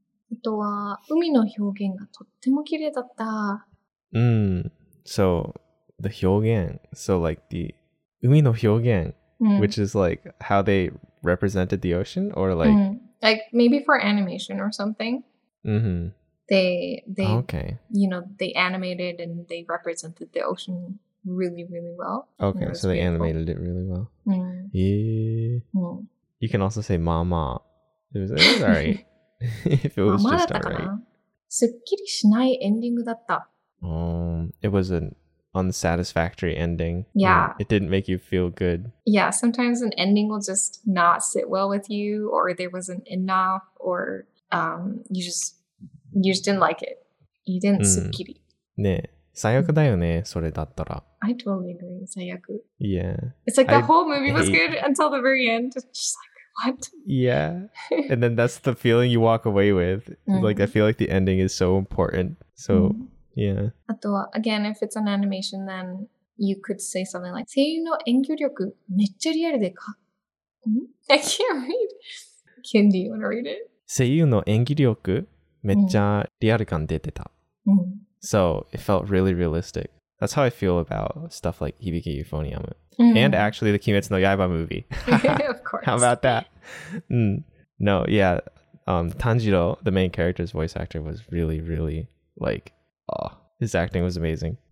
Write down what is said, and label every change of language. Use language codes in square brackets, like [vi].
[ja] あとは海の表現がとっても綺麗だった。 [en] So the 表現, so like the 海の表現, which is like how they represented the ocean or like like maybe for animation or something. They you know, they animated and they represented the ocean really, really well. Okay, so they animated it really well. You can also say mama. It was all right. If it was just all right. [ja] すっきりしないエンディングだった. [en] It was an unsatisfactory ending. Yeah. It didn't make you feel good. Yeah, sometimes an ending will just not sit well with you, or there wasn't enough, or you just didn't like it. You didn't sukkiri. [ja] ね、最悪だよね、それだったら。 [en] I totally agree, 最悪。 Yeah. It's like the whole movie was good until the very end. It's just like, what? Yeah. And then that's the feeling you walk away with. Like, I feel like the ending is so important. So, yeah. あとは、again, if it's an animation, then you could say something like, [ja] 声優の演技力めっちゃリアルでか。 [en] I can't read. Kim, do you want to read it? [ja] 声優の演技力めっちゃリアル感出てた。 [en] So it felt really realistic. That's how I feel about stuff like Hibiki Euphoniamu. And actually the Kimetsu no Yaiba movie. Of course. How about that? No, yeah. Tanjiro, the main character's voice actor, was really, really like, oh, his acting was amazing.